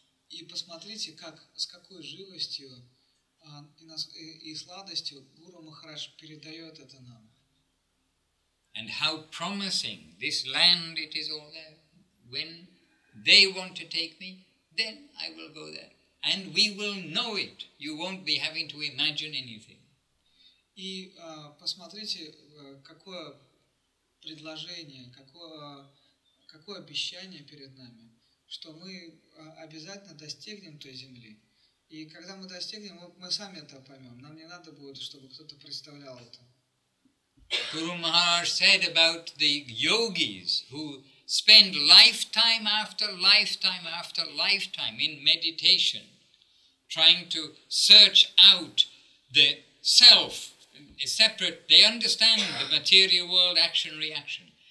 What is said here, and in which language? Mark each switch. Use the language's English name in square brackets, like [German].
[Russian] И посмотрите, с какой живостью и сладостью Гуру Махарадж передает это нам. [English] And how promising this land it is all there. When they want to take me, then I will go there. And we will know it. You won't be having to imagine anything. [Russian] И посмотрите, какое предложение, какое обещание перед нами, что мы обязательно достигнем той земли. И когда мы достигнем, мы сами это поймем. Нам не надо будет, чтобы кто-то представлял это. [English] Guru Maharaj said about the yogis who spend lifetime after lifetime after lifetime in meditation, trying to search out the self, a separate, they understand the material world, action, reaction.